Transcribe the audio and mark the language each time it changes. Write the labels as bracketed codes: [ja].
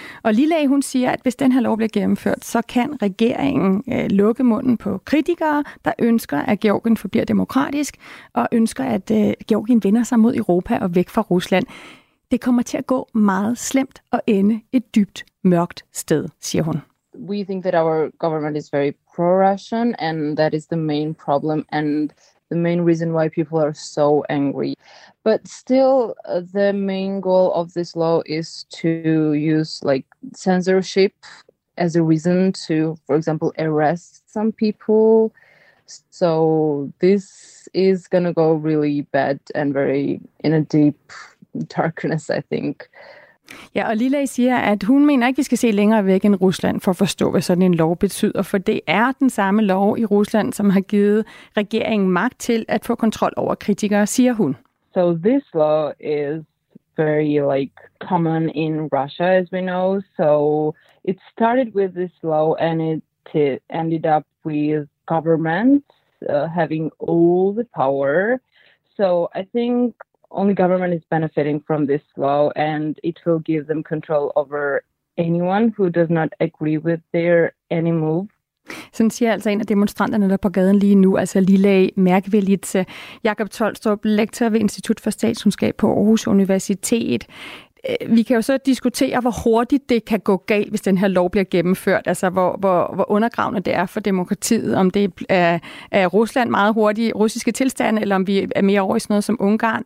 [da] Og Lilla, hun siger, at hvis den her lov bliver gennemført, så kan regeringen lukke munden på kritikere, der ønsker, at Georgien forbliver demokratisk, og ønsker, at Georgien vender sig mod Europa og væk fra Rusland. Det kommer til at gå meget slemt og ende et dybt mørkt sted, siger hun. [en] We think that our government is very pro-Russian, and that is the main problem and the main reason why people are so angry. But still, the main goal of this law is to use like censorship as a reason to, for example, arrest some people. So this is gonna go really bad and very in a deep darkness, I think. [da] Ja, og Lilla siger, at hun mener ikke, at vi skal se længere væk end Rusland for at forstå, hvad sådan en lov betyder. For det er den samme lov i Rusland, som har givet regeringen magt til at få kontrol over kritikere, siger hun. [en] So this law is very like common in Russia, as we know. So it started with this law and it ended up with governments having all the power. So I think only government is benefiting from this law, and it will give them control over anyone who does not agree with their any move. [da] Sådan siger altså en af demonstranterne der på gaden lige nu, altså Lilla Mærkvelitse. Jakob Tolstrup, lektor ved Institut for Statskundskab på Aarhus Universitet. Vi kan jo så diskutere, hvor hurtigt det kan gå galt, hvis den her lov bliver gennemført. Altså, hvor undergravende det er for demokratiet. Om det er Rusland meget hurtigt, russiske tilstande, eller om vi er mere over i sådan noget som Ungarn.